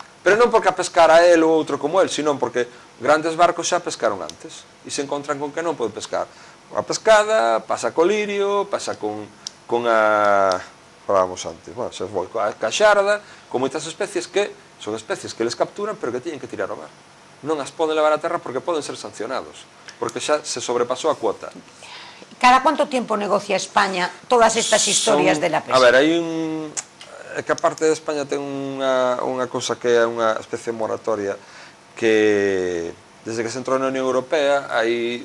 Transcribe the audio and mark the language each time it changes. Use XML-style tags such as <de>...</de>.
<gl>Pero non porque a pescar a él ou outro como él, sino porque grandes barcos xa pescaron antes e se encontran con que non pode pescar. A pescada pasa co lirio, pasa con a... Falábamos antes, bueno, se foi coa xarda, con moitas especies que son especies que les capturan pero que teñen que tirar ao mar. non as poden levar a terra porque poden ser sancionados, porque xa se sobrepasou a cuota.</gl> <es>Cada cuánto tiempo negocia España todas estas historias de la pesca?</es> <gl>A ver, hai un... É que a parte de España ten unha cosa que é unha especie de moratoria que desde que se entrou na Unión Europea hai...</gl>